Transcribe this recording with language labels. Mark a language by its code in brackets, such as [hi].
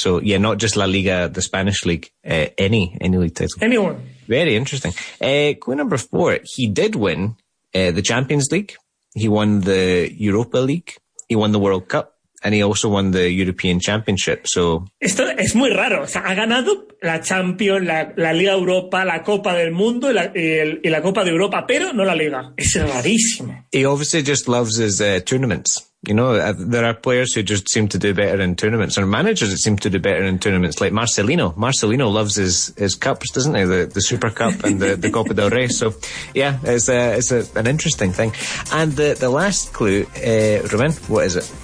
[en] So yeah, not just La Liga, the Spanish league, any league title. Anyone. Very interesting. Clue number four, he did win the Champions League, he won the Europa League, he won the World Cup. And he also won the European Championship, so... [es] Esto es muy raro. O sea, ha ganado la Champions, la Liga Europa, la Copa del Mundo y la Copa de Europa, pero no la Liga. Es rarísimo. [en] He obviously just loves his tournaments. You know, there are players who just seem to do better in tournaments, or managers that seem to do better in tournaments, like Marcelino. Marcelino loves his cups, doesn't he? The Super Cup and the Copa del Rey. So, yeah, it's an interesting thing. And the last clue, Ruben, what is it?